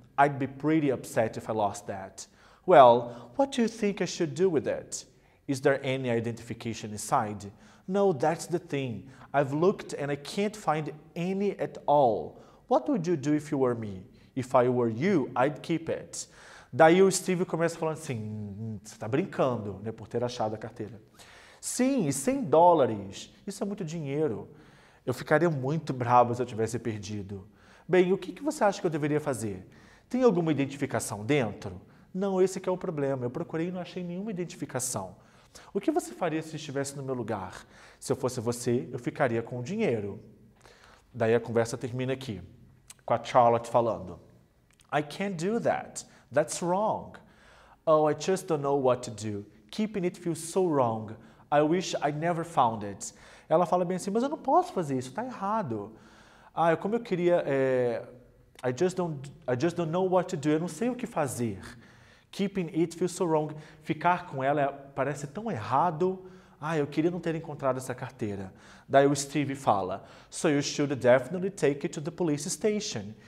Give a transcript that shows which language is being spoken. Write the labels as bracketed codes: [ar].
[en] I'd be pretty upset if I lost that. Well, what do you think I should do with it? Is there any identification inside? No, that's the thing. I've looked and I can't find any at all. What would you do if you were me? If I were you, I'd keep it. [pt] Daí o Steve começa falando assim: você está brincando, né, por ter achado a carteira. Sim, e $100? Isso é muito dinheiro. Eu ficaria muito bravo se eu tivesse perdido. Bem, o que que você acha que eu deveria fazer? Tem alguma identificação dentro? Não, esse que é o problema. Eu procurei e não achei nenhuma identificação. O que você faria se estivesse no meu lugar? Se eu fosse você, eu ficaria com o dinheiro. Daí a conversa termina aqui, com a Charlotte falando. [en] I can't do that. That's wrong. Oh, I just don't know what to do. Keeping it feels so wrong. I wish I never found it. [pt] Ela fala bem assim, mas eu não posso fazer isso, tá errado. Ah, como eu queria. [en] I just don't know what to do. [pt] Eu não sei o que fazer. [en] Keeping it feels so wrong. [pt] Ficar com ela parece tão errado. Ah, eu queria não ter encontrado essa carteira. Daí o Steve fala: [en] So you should definitely take it to the police station.